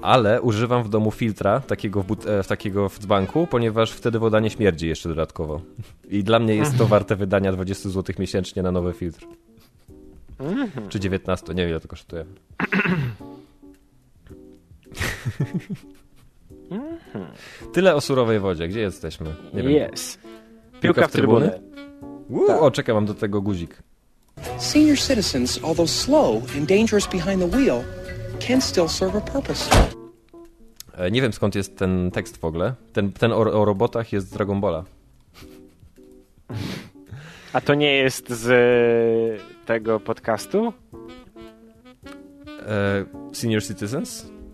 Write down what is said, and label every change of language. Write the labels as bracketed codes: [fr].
[pl] Ale używam w domu filtra takiego w dzbanku, ponieważ wtedy woda nie śmierdzi jeszcze dodatkowo i dla mnie jest to warte wydania 20 zł miesięcznie na nowy filtr. Mm-hmm. Czy 19, nie wiem ile to kosztuje. Tyle o surowej wodzie, gdzie jesteśmy? Nie wiem. Yes. Piłka w trybuny. O, czekaj, mam do tego guzik. [en] Senior citizens, although slow and dangerous behind the wheel, can still serve a purpose. [pl] Nie wiem skąd jest ten tekst w ogóle. Ten o robotach jest z Dragon Balla. A to nie jest z tego podcastu? [en] Senior Citizens?